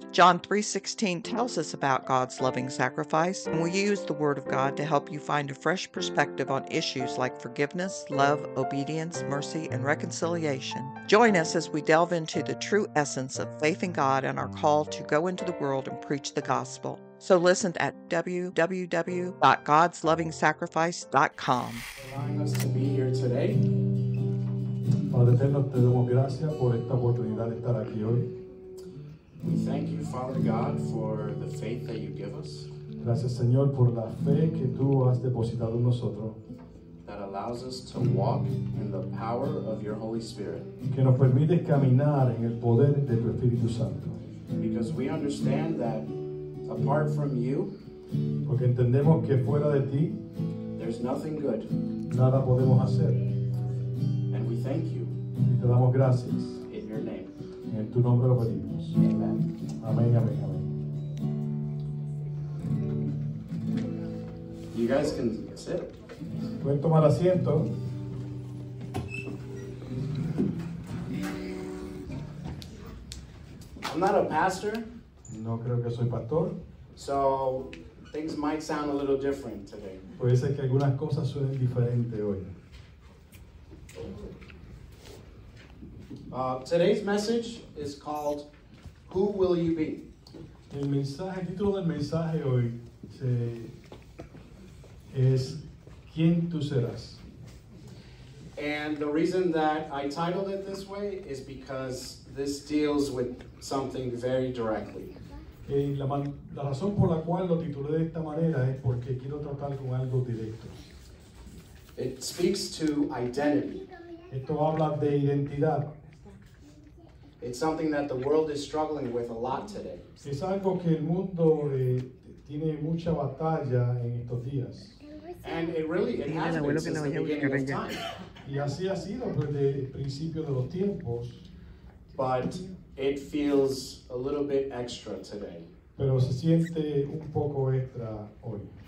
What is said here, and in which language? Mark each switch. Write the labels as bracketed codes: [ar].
[en] John 3:16 tells us about God's loving sacrifice, and we use the Word of God to help you find a fresh perspective on issues like forgiveness, love, obedience, mercy, and reconciliation. Join us as we delve into the true essence of faith in God and our call to go into the world and preach the gospel. So listen at www.godslovingsacrifice.com. Allowing us to be here today. [es] Father, te damos gracias por esta oportunidad de estar aquí hoy. [en] We thank you, Father God, for the faith that you give us. [es] Gracias, Señor, por la fe que tú has depositado en nosotros. [en] That allows us to walk in the power of your Holy Spirit. [es] Que nos permite caminar en el poder de tu Espíritu Santo. [en] Because we understand that apart from you, [es] porque entendemos que fuera de ti, [en] there's nothing good. [es] Nada podemos hacer. [en] And we thank you. [es] Y te damos gracias. [en] In your name. [es] En tu nombre lo pedimos. [en] Amen. [es] Amén, amén, amén. [en] You guys can sit. [es] Pueden tomar asiento. [en] I'm not a pastor. [es] No creo que soy pastor. [en] So things might sound a little different today. [es] Puede ser que algunas cosas suenen diferente hoy. [en] Today's message is called "Who Will You Be?" [es] El mensaje, el título del mensaje hoy se es ¿Quién tú serás? [en] And the reason that I titled it this way is because this deals with something very directly. [es] La razón por la cual lo titulé de esta manera es porque quiero tratar con algo directo. [en] It speaks to identity. [es] Esto habla de identidad. [en] It's something that the world is struggling with a lot today. [es] Es algo que el mundo tiene mucha batalla en estos días. [en] And it really, it has been since the beginning of time. [es] Y así ha sido desde el principio de los tiempos. [en] But it feels a little bit extra today. [es] Pero se siente un poco extra hoy.